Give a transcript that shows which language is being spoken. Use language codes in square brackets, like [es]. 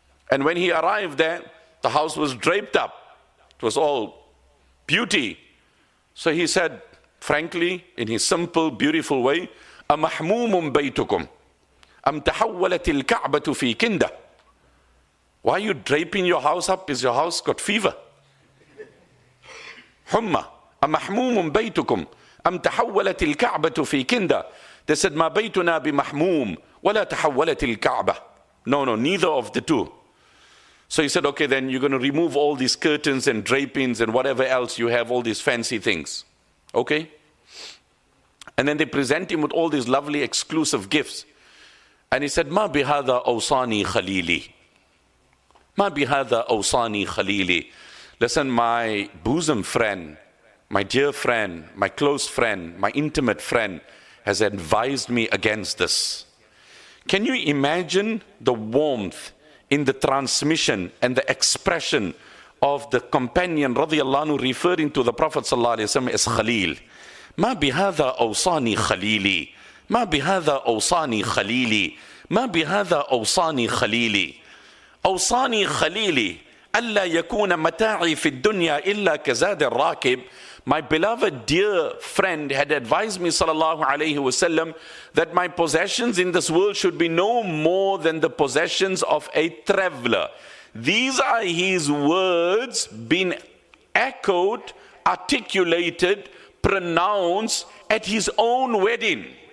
[en] And when he arrived there, the house was draped up. It was all beauty. So he said, frankly, in his simple, beautiful way, [ar] أَمَحْمُومٌ بَيْتُكُمْ أَمْ تَحَوَّلَتِ الْكَعْبَةُ فِي كِنْدَةٍ. [en] Why are you draping your house up? Is your house got fever? [ar] Humma, أَمَحْمُومٌ بَيْتُكُمْ أَمْ تَحَوَّلَتِ الْكَعْبَةُ فِي كِنْدَةٍ. [en] They said, [ar] ما بيتنا بمحموم ولا تحولت الكعبة. [en] No, no, neither of the two. So he said, okay, then you're going to remove all these curtains and drapings and whatever else you have, all these fancy things. Okay? And then they present him with all these lovely exclusive gifts. And he said, [ar] ما بهذا أوصاني خليلي. ما بهذا أوصاني خليلي. [en] Listen, my bosom friend, my dear friend, my close friend, my intimate friend has advised me against this. Can you imagine the warmth in the transmission and the expression of the companion radiallahu anhu referring to the Prophet sallallahu alayhi wa sallam as Khalil? [ar] ما بهذا أوصاني خليلي. ما بهذا أوصاني خليلي. ما بهذا أوصاني خليلي. أوصاني خليلي ألا يكون متاعي في الدنيا إلا كزاد الراكب. [en] My beloved dear friend had advised me sallallahu alayhi wa sallam that my possessions in this world should be no more than the possessions of a traveler. These are his words being echoed, articulated, pronounced at his own wedding.